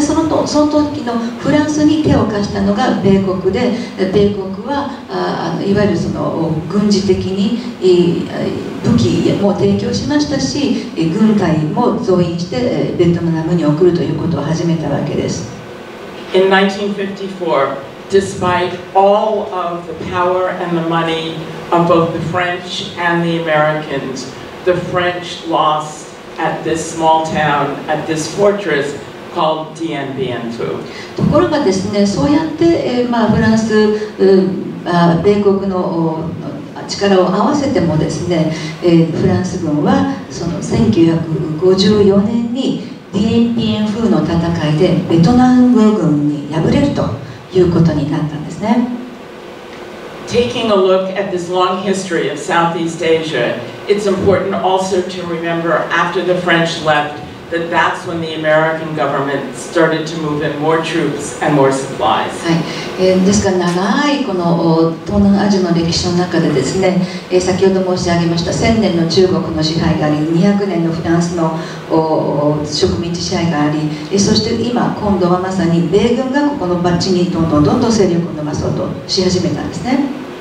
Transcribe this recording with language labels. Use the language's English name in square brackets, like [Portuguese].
[Japanese] その時のフランスに手を貸したのが米国で、米国はいわゆるその軍事的に武器も提供しましたし、軍隊も増員してベトナムに送るということを始めたわけです。 [English] In 1954, despite all of the power and the money of both the French and the Americans, the French lost at this small town, at this fortress called Dien Bien Phu. [Japanese] ところがですね、そうやって、まあ、フランス、米国の力を合わせてもですね、フランス軍はその1954年にディエンビエンフーの戦いでベトナム軍に敗れるということになったんですね。 [English] Taking a look at this long history of Southeast Asia, it's important also to remember after the French left that that's when the American government started to move in more troops and more supplies. [Japanese] はい。ですから長いこの東南アジアの歴史の中でですね、先ほど申し上げました1000年の中国の支配があり、200年のフランスの植民地支配があり、そして今度はまさに米軍がここのバッチにどんどん勢力を伸ばそうとし始めたんですね。